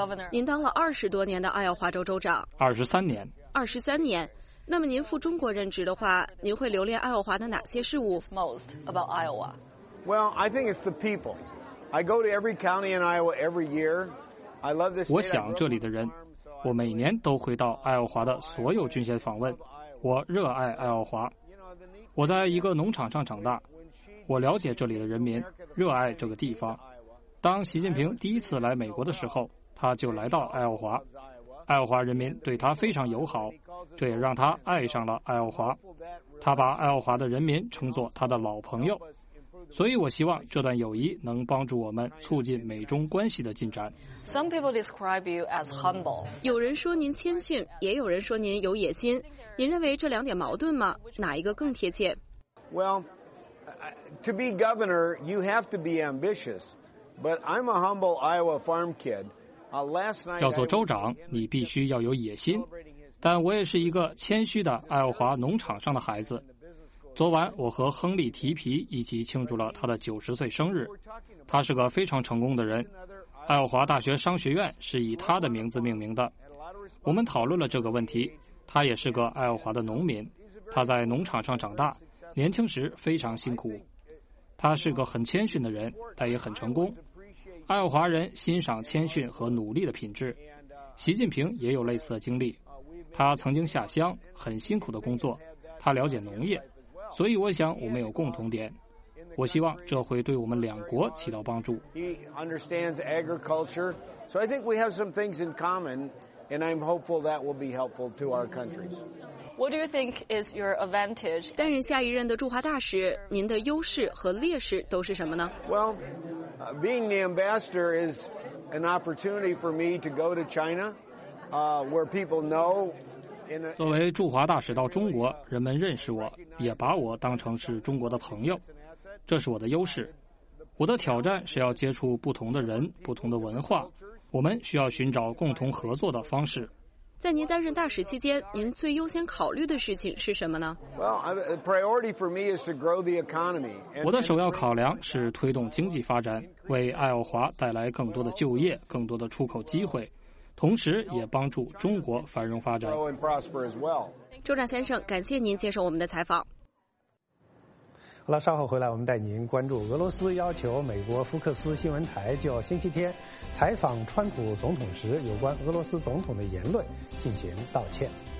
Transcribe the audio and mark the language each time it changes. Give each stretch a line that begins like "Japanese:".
Chinese: 您当了20多年的爱奥华州州长。 23年。那么您赴中国任职的话，您会留恋爱奥华的哪些事物
English: ？Most about Iowa. Well, I think it's the people. I go to every county in Iowa every year. I love this.
Chinese: 我想这里的人，我每年都会到爱奥华的所有郡县访问。我热爱爱奥华。我在一个农场上长大，我了解这里的人民，热爱这个地方。当习近平第一次来美国的时候，他就来到爱奥华。爱奥华人民对他非常友好，这也让他爱上了爱奥华。他把爱奥华的人民称作他的老朋友，所以我希望这段友谊能帮助我们促进美中关系的进展。
English: Some people describe you as humble.
Chinese: 有人说您谦逊，也有人说您有野心。您认为这两点矛盾吗？哪一个更贴切
English: ？Well, to be governor, you have to be ambitious. But I'm a humble Iowa farm kid.
Chinese: 要做州长，你必须要有野心。但我也是一个谦虚的爱奥华农场上的孩子。昨晚我和亨利·提皮一起庆祝了他的90岁生日。他是个非常成功的人。爱奥华大学商学院是以他的名字命名的。我们讨论了这个问题。他也是个爱奥华的农民。他在农场上长大，年轻时非常辛苦。他是个很谦逊的人，但也很成功。爱华人欣赏谦逊和努力的品质。习近平也有类似的经历，他曾经下乡，很辛苦的工作，他了解农业，所以我想我们有共同点。我希望这会对我们两国起到帮助。
English: He understands agriculture, so I think we have some things in common, and I'm hopeful that will be helpful to our countries. What do you think is your advantage?
Chinese: 担任下一任的驻华大使，您的优势和劣势都是什么呢
English: ？Well, being the ambassador is an opportunity for me to go to China, where people know.
Chinese: 作为驻华大使到中国，人们认识我，也把我当成是中国的朋友。这是我的优势，我的挑战是要接触不同的人、不同的文化，我们需要寻找共同合作的方式。在您担任大使期间，您最优先考虑的事情是什么呢
English: ？Well, the priority for me is to grow the economy.
Chinese: 我的首要考量是推动经济发展，为爱奥华带来更多的就业、更多的出口机会，同时也帮助中国繁荣发展。州长先生，感谢您接受我们的采访。好了，稍后回来我们带您关注俄罗斯要求美国福克斯新闻台就星期天采访川普总统时有关俄罗斯总统的言论进行道歉。